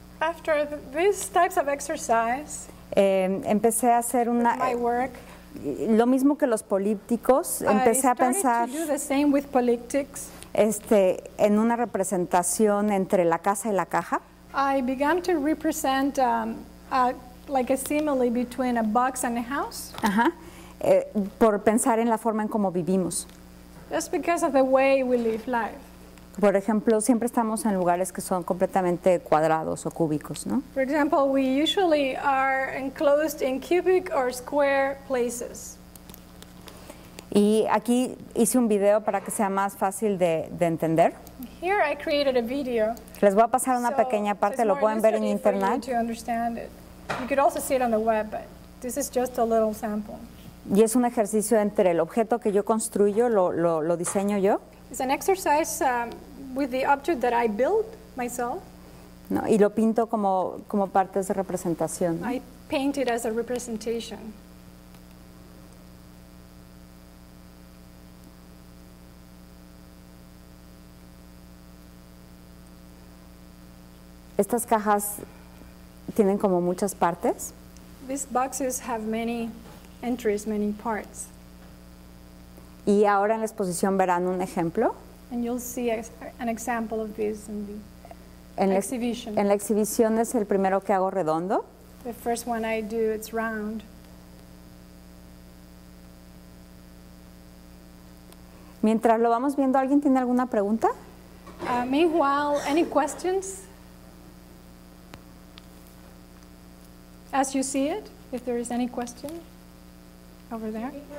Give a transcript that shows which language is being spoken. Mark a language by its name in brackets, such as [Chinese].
[English] After these types of exercise, [Spanish] empecé a hacer una. [English] My work, [Spanish] lo mismo que los polípticos, empecé a pensar. [English] To do the same with polyptychs. [Spanish] En una representación entre la casa y la caja. [English] I began to represent like a simile between a box and a house. Ajá. [Spanish] Por pensar en la forma en cómo vivimos. [English] Just because of the way we live life. [Spanish] Por ejemplo, siempre estamos en lugares que son completamente cuadrados o cúbicos, ¿no? [English] For example, we usually are enclosed in cubic or square places. [Spanish] Y aquí hice un video para que sea más fácil de entender. [English] Here I created a video. [Spanish] Les voy a pasar una pequeña parte, lo pueden ver en internet. [English] To understand it. You could also see it on the web, but this is just a little sample. [Spanish] Y es un ejercicio entre el objeto que yo construyo, lo diseño yo. [English] It's an exercise with the object that I build myself. [Spanish] No, y lo pinto como partes de representación. [English] I paint it as a representation. [Spanish] Estas cajas tienen como muchas partes. [English] These boxes have many entries, many parts. [Spanish] Y ahora en la exposición verán un ejemplo. [English] And you'll see an example of this in the exhibition. [Spanish] En la exhibición es el primero que hago redondo. [English] The first one I do, it's round. [Spanish] Mientras lo vamos viendo, ¿alguien tiene alguna pregunta? [English] Meanwhile, any questions? As you see it, if there is any question over there.